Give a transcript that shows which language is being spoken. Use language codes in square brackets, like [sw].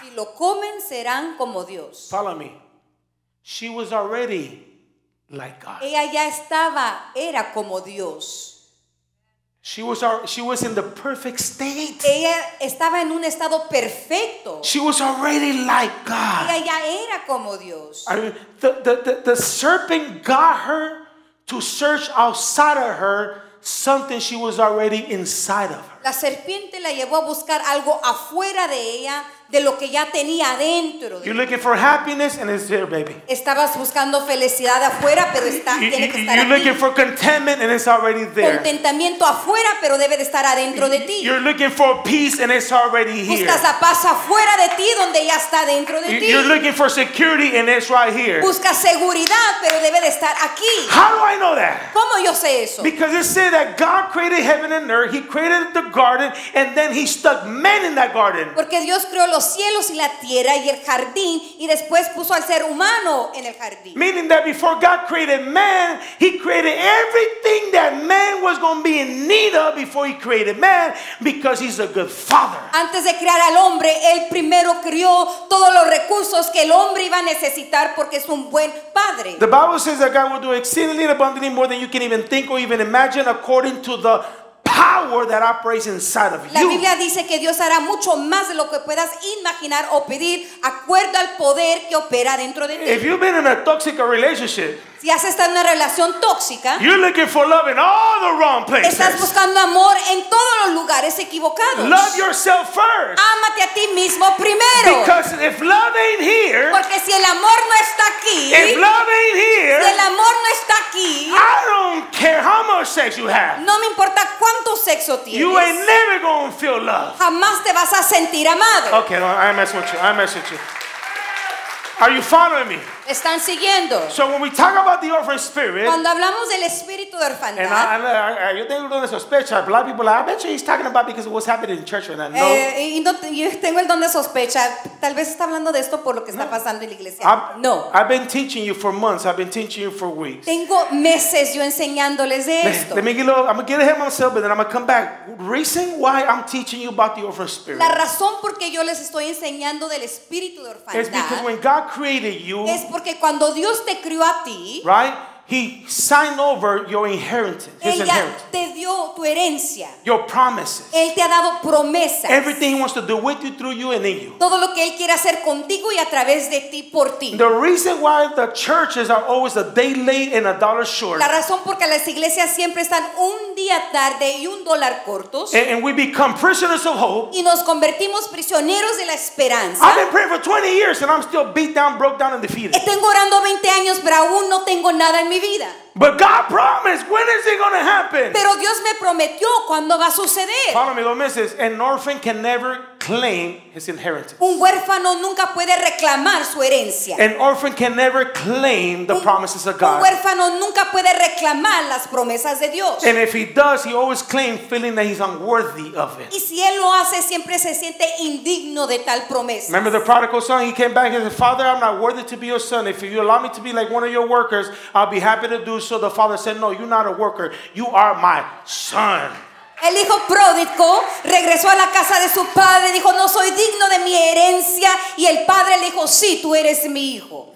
[es] Si lo comen, serán como Dios. [en] Follow me. She was already like God. [es] Ella ya estaba, era como Dios. [en] She was our, she was in the perfect state. [es] Ella estaba en un estado perfecto. [en] She was already like God. [es] Ella ya era como Dios. [en] I mean, the serpent got her to search outside of her something she was already inside of her. [es] La serpiente la llevó a buscar algo afuera de ella, de lo que ya tenía adentro. [en] You're looking for happiness and it's there, baby. [es] Estabas buscando felicidad afuera, pero está, tiene que estar aquí. [en] You're looking for contentment and it's already there. [es] Contentamiento afuera, pero debe de estar adentro de ti. [en] You're looking for peace and it's already here. [es] Buscas la paz afuera de ti, donde ya está dentro de ti. [en] You're looking for security and it's right here. [es] Buscas seguridad, pero debe de estar aquí. [en] How do I know that? [es] ¿Cómo yo sé eso? [en] Because it said that God created heaven and earth. He created the garden and then he stuck men in that garden. [es] Porque Dios creó los cielos y la tierra y el jardín y después puso al ser humano en el jardín. [en] Meaning that before God created man, he created everything that man was going to be in need of before he created man, because he's a good father. [es] Antes de crear al hombre, él primero creó todos los recursos que el hombre iba a necesitar porque es un buen padre. [en] The Bible says that God will do exceedingly abundantly more than you can even think or even imagine according to the power that operates inside of you. [es] La Biblia dice que Dios hará mucho más de lo que puedas imaginar o pedir, acuerdo al poder que opera dentro de ti. [en] If you've been in a toxic relationship, [es] si has estado en una relación tóxica, [en] you're looking for love in all the wrong places. [es] Estás buscando amor en todos los lugares equivocados. [en] Love yourself first. [es] Ámate a ti mismo primero. [en] Because if love ain't here, [es] porque si el amor no está aquí, [en] if love ain't here, [es] si el amor no está aquí, [en] I don't care how much sex you have. [es] No me importa cuánto sexo tienes. [en] You ain't never gonna feel love. [es] Jamás te vas a sentir amado. [en] Okay, no, I mess with you. Are you following me? [es] Están siguiendo. [en] So when we talk about the orphan spirit, [es] cuando hablamos del espíritu de orfandad, yo tengo el don de sospecha. [en] A lot of people are like, I bet you he's talking about because of what's happening in church right now. No. [es] Yo tengo el don de sospecha. Tal vez está hablando de esto por lo que está pasando en la iglesia. No. [en] I've been teaching you for months. I've been teaching you for weeks. [es] Tengo meses yo enseñándoles de esto. [en] Let me get a little, I'm going to get ahead of myself, but then I'm going to come back. Reason why I'm teaching you about the orphan spirit. [es] La razón por qué yo les estoy enseñando del espíritu de orfandad [en] is because when God created you, [es] porque cuando Dios te crió a ti, [en] right? He signed over your inheritance. [es] Él ya [en] inheritance. [es] Te dio tu herencia. [en] Your promises. [es] Él te ha dado promesas. [en] Everything he wants to do with you, through you, and in you. [es] Todo lo que él quiere hacer contigo y a través de ti, por ti. [en] The reason why the churches are always a day late and a dollar short. [es] La razón porque las iglesias siempre están un día tarde y un dólar cortos. [en] And we become prisoners of hope. [es] Y nos convertimos prisioneros de la esperanza. [en] I've been praying for 20 years and I'm still beat down, broke down, and defeated. [es] Tengo orando 20 años, pero aún no tengo nada en mi vida. [en] But God promised. When is it going to happen? [es] Pero Dios me prometió. ¿Cuándo va a suceder? [en] Follow me, [es] 2 meses. [en] An orphan can never claim his inheritance. [es] Un huérfano nunca puede reclamar su herencia. [en] An orphan can never claim the promises of God. [es] Un huérfano nunca puede reclamar las promesas de Dios. [en] And if he does, he always claims feeling that he's unworthy of it. [es] Y si él lo hace, siempre se siente indigno de tal promesa. [en] Remember the prodigal son? He came back and said, "Father, I'm not worthy to be your son. If you allow me to be like one of your workers, I'll be happy to do." So the father said, "No, you're not a worker. You are my son." [es] El hijo pródigo regresó a la casa de su padre y dijo, "No soy digno de mi herencia." Y el padre le dijo, "Sí, tú eres mi hijo."